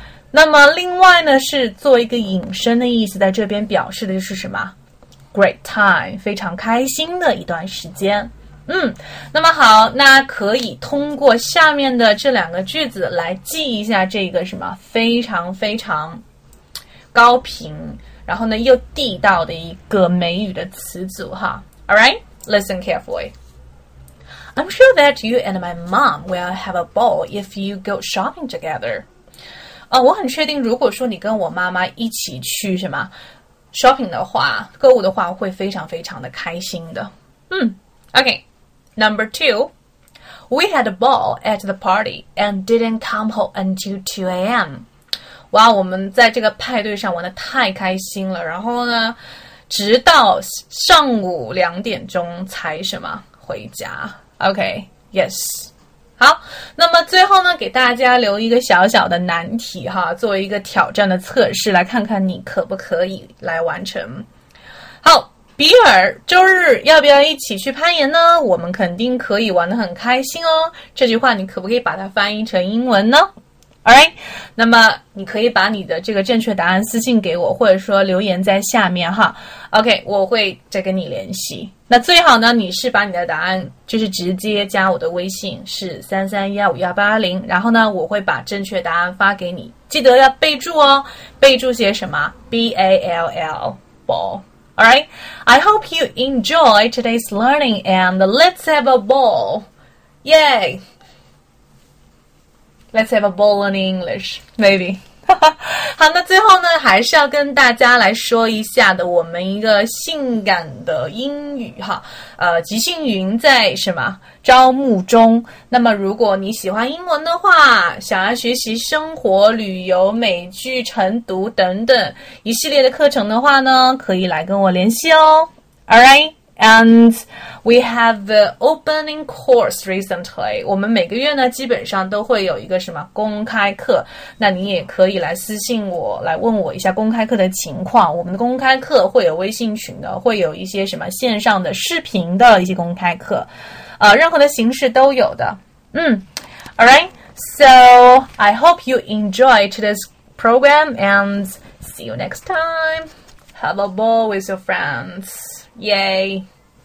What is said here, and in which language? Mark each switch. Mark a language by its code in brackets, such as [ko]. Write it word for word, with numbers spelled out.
[zh] 那么另外呢是做一个引申的意思，在这边表示的就是什么 [en] great time， [zh] 非常开心的一段时间。嗯，那么好，那可以通过下面的这两个句子来记一下这个什么非常非常高频然后呢又地道的一个美语的词组哈。 [en] Alright, listen carefully. I'm sure that you and my mom will have a ball if you go shopping together. [zh] 呃、哦，我很确定，如果说你跟我妈妈一起去什么 shopping 的话，购物的话，会非常非常的开心的。嗯 ，OK。 [en] Number two, we had a ball at the party and didn't come home until two a.m. [zh] 哇，我们在这个派对上玩得太开心了，然后呢，直到上午两点钟才什么回家。 [en] OK, yes. [zh] 好，那么最后呢，给大家留一个小小的难题哈，作为一个挑战的测试，来看看你可不可以来完成。好，比尔，周日要不要一起去攀岩呢？我们肯定可以玩得很开心哦。这句话你可不可以把它翻译成英文呢 ？Alright， 那么你可以把你的这个正确答案私信给我，或者说留言在下面哈。 OK， 我会再跟你联系。那最好呢，你是把你的答案就是直接加我的微信是三三幺五幺八零，然后呢，我会把正确答案发给你，记得要备注哦，备注写什么 ？B A L L ball。 [en] All right, I hope you enjoy today's learning and let's have a ball. Yay! Let's have a ball in English, maybe. [zh] 好，那最后呢，还是要跟大家来说一下的，我们一个性感的英语哈，呃，即兴云在什么招募中。那么，如果你喜欢英文的话，想要学习生活、旅游、美剧、晨读等等一系列的课程的话呢，可以来跟我联系哦。 [en] All right, and we have the opening course recently. [zh] 我们每个月呢，基本上都会有一个什么公开课。那你也可以来私信我，来问我一下公开课的情况。我们的公开课会有微信群的，会有一些什么线上的视频的一些公开课，呃，任何的形式都有的。 [en] 嗯 ，All right, so I hope you enjoy today's program and see you next time. Have a ball with your friends. Yay!